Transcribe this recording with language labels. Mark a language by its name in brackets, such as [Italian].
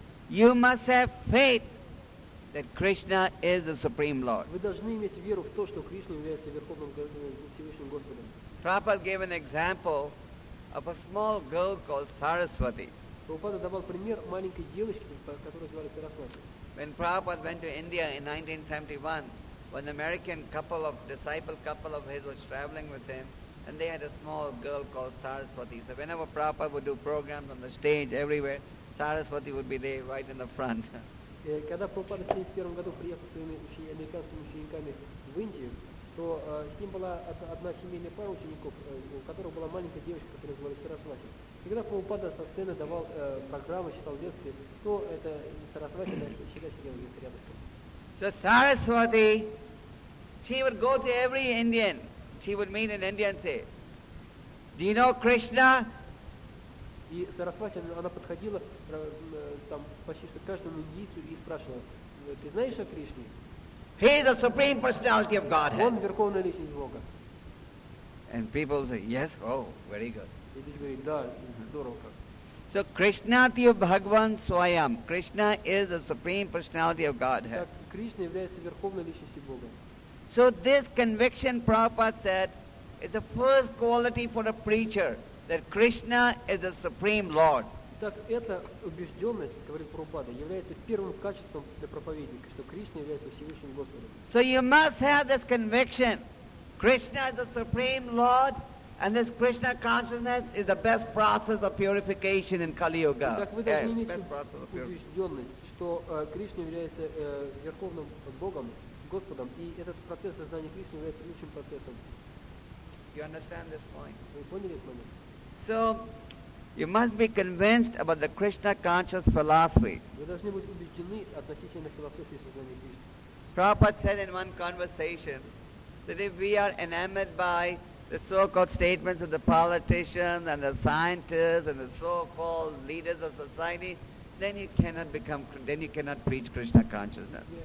[English] You must have faith that Krishna is the Supreme Lord. [Russian] Вы должны иметь веру в то, что Кришна является верховным всевышним Господом. [English] Prabhupada gave an example of a small girl called Saraswati. [Russian] Prabhupada давал пример маленькой девочки, которую звали Сарасвати. [English] When Prabhupada went to India in 1971, an American disciple couple of his was traveling with him, and they had a small girl called Saraswati. So whenever Prabhupada would do programs on the stage everywhere, Saraswati would be there right in the front. [Russian] Когда Прабхупада в 71 году приехал с своими американскими учениками в Индию, то с ним была одна семейная пара учеников, у которой была маленькая девочка, которая звали Сарасвати. Когда Прабхупада со сцены давал программы, читал лекции, то это Сарасвати всегда сидела где-то рядышком. [English] So Saraswati, she would go to every Indian. She would meet an Indian and say, "Do you know Krishna?" [Russian] И Сарасвати, она подходила там почти что к каждому индийцу и спрашивала, "Ты знаешь о Кришне?" [English] He is the supreme personality of Godhead. [Russian] Он верховная личность Бога. [English] And people say, "Yes, oh, very good." [Russian] И люди говорят, да, здорово как. [English] So [Sanskrit] Krishna Tiyo Bhagavan Swayam. [English] Krishna is the supreme personality of Godhead. [Russian] Так Кришна является верховной личностью Бога. [English] So this conviction, Prabhupada said, is the first quality for a preacher, that Krishna is the Supreme Lord. [Russian] Так эта убежденность, говорит Прабхупада, является первым качеством для проповедника, что Кришна является Всевышним Господом. [English] So you must have this conviction. Krishna is the Supreme Lord, and this Krishna consciousness is the best process of purification in Kali Yuga. [Russian] Так вы должны иметь убежденность, что Кришна является верховным Богом, Господом, и этот процесс сознания Кришны является лучшим процессом. [English] You understand this point? [Russian] Вы поняли этот момент? [English] So, you must be convinced about the Krishna conscious philosophy. [Russian] Вы должны быть убеждены относительно философии сознания Кришны. [English] Prabhupada said in one conversation that if we are enamored by the so-called statements of the politicians and the scientists and the so-called leaders of society, then you cannot become, then you cannot preach Krishna consciousness.